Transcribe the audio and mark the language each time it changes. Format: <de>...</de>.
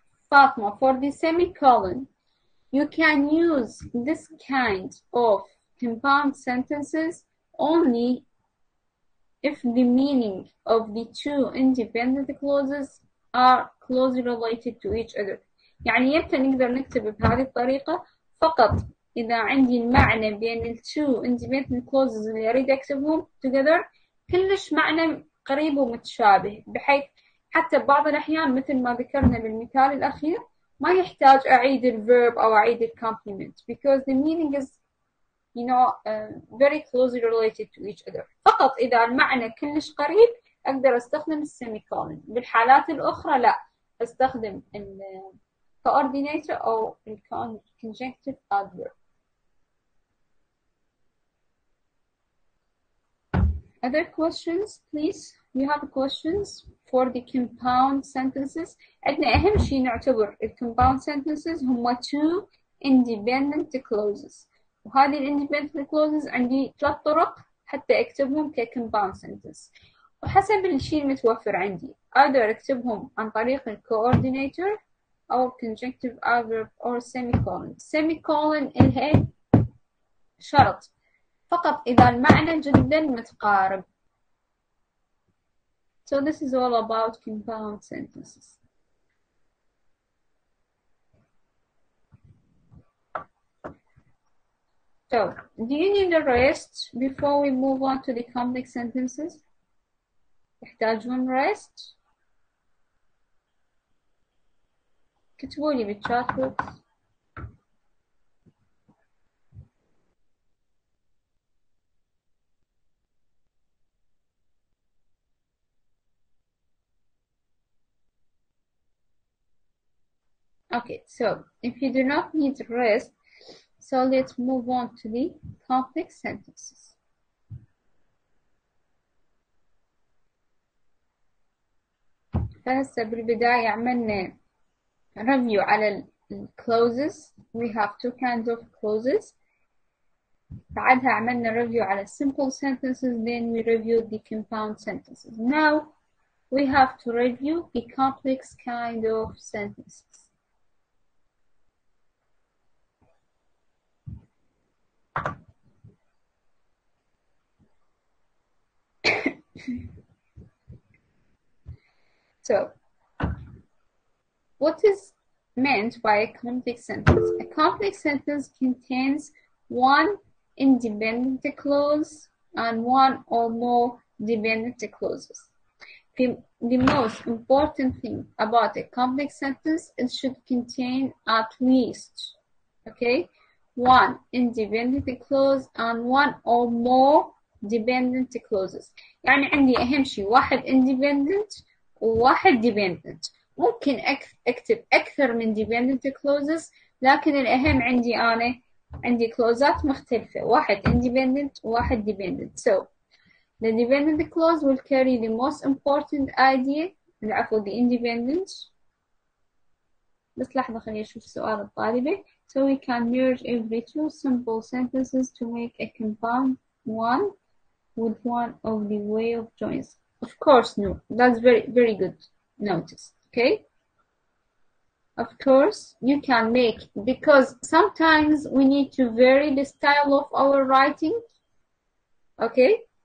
<en>فاطمة, for the semicolon, You can use this kind of compound sentences only if the meaning of the two independent clauses are closely related to each other.</en> <ar>يعني يمكن نقدر نكتب بهذه الطريقة فقط إذا عندي المعنى بين ال two independent clauses اللي أريد أكتبهم together كلش معنى قريب ومتشابه، بحيث حتى بعض الأحيان مثل ما ذكرنا بالمثال الأخير ما يحتاج أعيد ال verb أو أعيد ال complement</ar> <en>because the meaning is you know very closely related to each other.</en> <ar>فقط إذا المعنى كلش قريب أقدر أستخدم ال semicolon، بالحالات الأخرى لا، أستخدم ال coordinator أو ال conjunctive adverb.</ar> <en>Other questions, please? You have questions for the compound sentences?</en> <ar>عندنا أهم شيء نعتبر ال compound sentences هم two independent clauses. وهذه ال independent clauses عندي ثلاث طرق حتى أكتبهم ك compound sentence. وحسب الشيء المتوفر عندي، either أكتبهم عن طريق ال coordinator أو conjunctive adverb أو semicolon. Semicolon إلها شرط. فقط إذا المعنى جدا متقارب.</ar> <en>So this is all about compound sentences. So, do you need a rest before we move on to the complex sentences?</en> <ar>تحتاجون rest؟ كتبولي بالشات بوكس.</ar> <en>Okay, so if you do not need rest, so let's move on to the complex sentences.</en> <ar>فهسه بالبداية عملنا review على الclauses.</ar> <en>We have two kinds of clauses.</en> <ar>بعدها عملنا</ar> <en>review</en> <ar>على</ar> <en>simple sentences, then we reviewed the compound sentences. Now we have to review the complex kind of sentences. So, what is meant by a complex sentence? A complex sentence contains one independent clause and one or more dependent clauses. The most important thing about a complex sentence, it should contain at least, okay, one independent clause and one or more dependent clauses.</en> <ar>يعني عندي أهم شيء واحد independent وواحد dependent. ممكن أكتب أكثر من dependent clauses لكن الأهم عندي أنا عندي clauses مختلفة واحد independent وواحد dependent.</ar> <en>So the dependent clause will carry the most important idea.</en> <ar>العفو the independent. بس لحظة خليني أشوف سؤال الطالبة.</ar> <en>So we can merge every two simple sentences to make a compound one. With one of the way of joins. Of course, no. That's very, very good notice. Okay? Of course, you can make, because sometimes we need to vary the style of our writing. Okay?</en>